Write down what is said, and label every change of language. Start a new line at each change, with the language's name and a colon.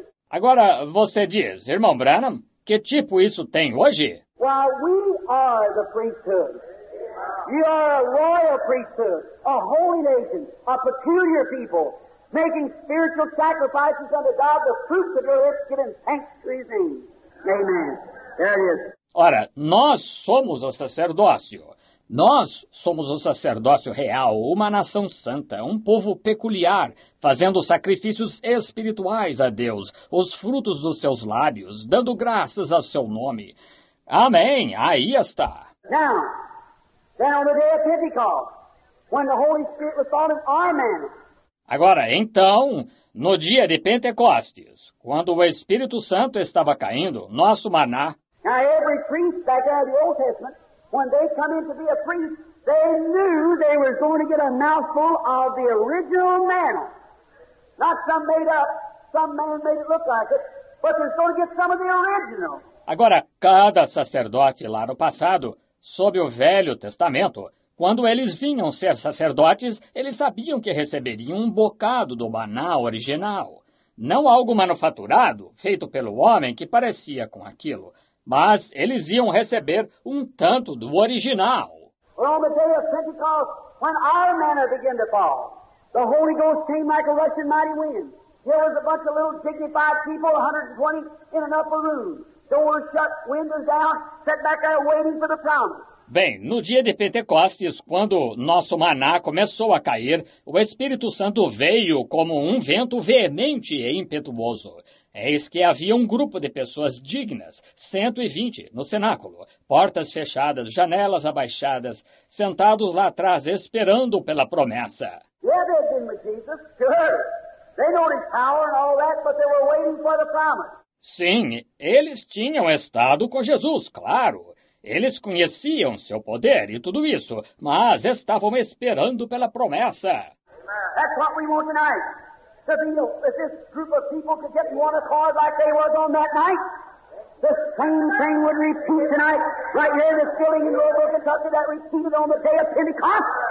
Portuguese: agora, você diz, irmão Branham, que tipo isso tem hoje?
English: Well, we are the priesthood. You are a royal priesthood, a holy nation, a peculiar people, making spiritual sacrifices unto God, the fruits of your lips, giving thanks to his name. Amen. There it is.
Portuguese: Ora, nós somos o sacerdócio. Nós somos o sacerdócio real, uma nação santa, um povo peculiar, fazendo sacrifícios espirituais a Deus, os frutos dos seus lábios, dando graças ao seu nome. Amém! Aí está!
English: Now, on the day of Pentecost, when the Holy Spirit was fallen, amen.
Portuguese: Agora, então, no dia de Pentecostes, quando o Espírito Santo estava caindo, nosso maná.
English: Now, every priest back there in the Old Testament, when they come in to be a priest, they knew they were going to get a mouthful of the original manna. Not some made up, some man made it look like it, but they're going to get some of the original.
Portuguese: Agora, cada sacerdote lá no passado, sob o Velho Testamento, quando eles vinham ser sacerdotes, eles sabiam que receberiam um bocado do maná original. Não algo manufaturado, feito pelo homem que parecia com aquilo, mas eles iam receber um tanto do original.
English: Well, the day of Pentecost, when our manna began to fall, the Holy Ghost came like a rushing mighty wind. There was a bunch of little dignified people, 120, in an upper room. Doors shut, windows down, sat back there waiting for the promise.
Portuguese: Bem, no dia de Pentecostes, quando nosso maná começou a cair, o Espírito Santo veio como um vento veemente e impetuoso. Eis que havia um grupo de pessoas dignas, 120, no cenáculo, portas fechadas, janelas abaixadas, sentados lá atrás, esperando pela promessa.
English: Yeah, they've been with Jesus. Sure. They know his power and all that, but they were waiting for the promise.
Portuguese: Sim, eles tinham estado com Jesus, claro. Eles conheciam seu poder e tudo isso, mas estavam esperando pela promessa.
English: That's what we want tonight. To be, if this group of people could get in one accord like they was on that night, the same thing would repeat tonight, right here in the filling in the book of Kentucky that repeated on the day of Pentecost.